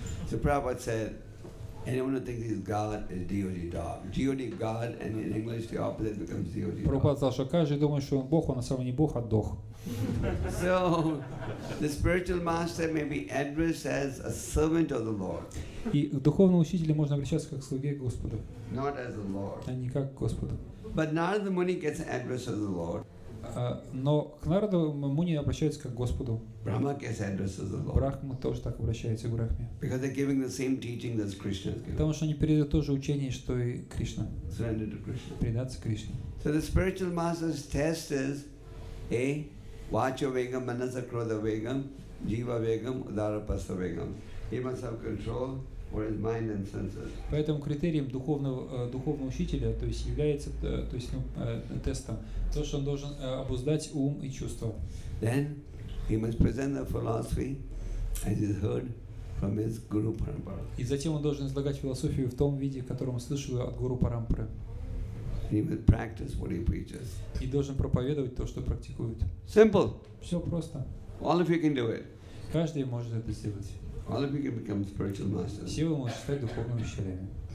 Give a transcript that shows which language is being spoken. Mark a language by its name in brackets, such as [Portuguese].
[English] So Prabhupada said, "Anyone who thinks he's God is deity dog. Deity God, and in English, the opposite becomes deity." [Russian] Прабхупада сказал, что каждый думает, что он Бог, он на самом деле не Бог, а дох. [English] So, the spiritual master may be addressed as a servant of the Lord. [Russian] И к духовному учителю можно обращаться как к слуге Господу. [English] Not as the Lord. [Russian] А не как Господу. [English] But Narada Muni gets addressed as the Lord. [Russian] Но к Нараду Муни обращается как к Господу. [English] Brahma gets addressed as the Lord. [Russian] Брахма тоже так обращается к Брахме. [English] Because they're giving the same teaching that Krishna is giving. [Russian] Потому что они передают то же учение, что и Кришна. [English] Surrender to Krishna. [Russian] Предаться Кришне. [English] So the spiritual master's test is a Vacha Vegam, Manasa Krodha Vegam, Jiva Vegam, Udara Pasta Vegam. He must have control over his mind and senses. [Russian] Поэтому критерием духовного учителя, то есть является, то есть тестом, то, что он должен обуздать ум и чувства. [English] Then he must present the philosophy as is heard from his Guru Parampara. [Russian] И затем он должен излагать философию в том виде, котором слышал от Гуру Парампары. [English] He will practice what he preaches. [Russian] И должен проповедовать то, что практикует. [English] Simple. [Russian] Все просто. [English] All of you can do it. [Russian] Каждый может это сделать. [English] All of you can become spiritual masters. [Russian] Все вы можете стать духовными учителями.